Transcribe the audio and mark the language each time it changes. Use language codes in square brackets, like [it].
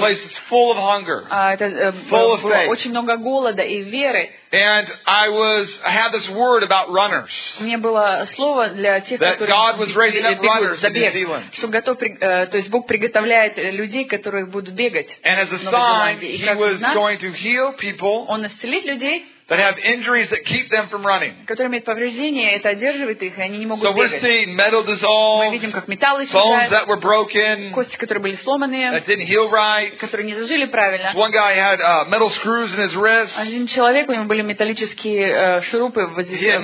[en] Place that's full of hunger. Full of faith. [ru] Очень много голода и веры. [en] And I had this word about runners. [ru] У меня было слово для тех, которые [en] God was raising up runners in New Zealand. [ru] Что готов, то есть Бог приготовляет людей, которые будут бегать. [en] And as a sign, He was going to heal people. [ru] Он исцелит людей. [en] That have injuries that keep them from running. [ru] Которые имеют повреждения, это одерживает их, и они не могут бегать. [en] So we're seeing metal dissolved. [ru] Мы видим, как металл исчезает. [en] Bones that were broken. [ru] Кости, которые были сломанные. [en] That didn't heal right. [ru] Которые не зажили правильно. [en] One guy had metal screws in his wrist. [ru] Один человек, у него были металлические шурупы в кистях